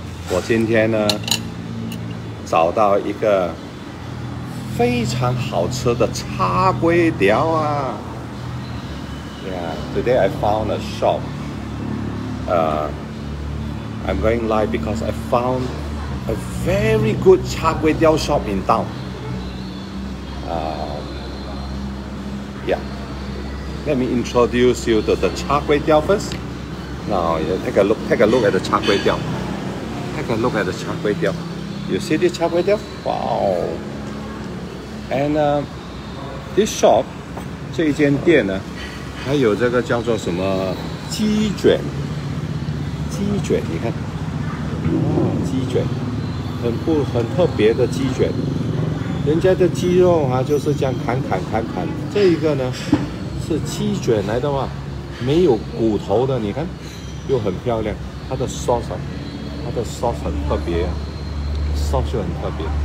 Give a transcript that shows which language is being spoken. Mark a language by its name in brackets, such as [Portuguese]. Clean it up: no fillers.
[Chinese] 我今天呢, 找到一个 非常好吃的叉龟雕啊. [English] Yeah, today I found a shop. I'm going live because I found a very good cha-kway-tiao shop in town. Yeah, let me introduce you to the cha-kway-tiao first. Now, yeah, take a look at the cha-kway-tiao. Take a look at the cha-kway-tiao. You see this cha-kway-tiao? Wow. And this shop, [Chinese] 这一间店呢, 还有这个叫做什么鸡卷, 鸡卷, 你看, 鸡卷, 很不, 很特别的鸡卷, 人家的鸡肉啊, 就是这样砍砍砍砍, 这一个呢, 是鸡卷来的话, 没有骨头的, 你看, 又很漂亮, 它的sauce, 它的sauce很特别, sauce就很特别,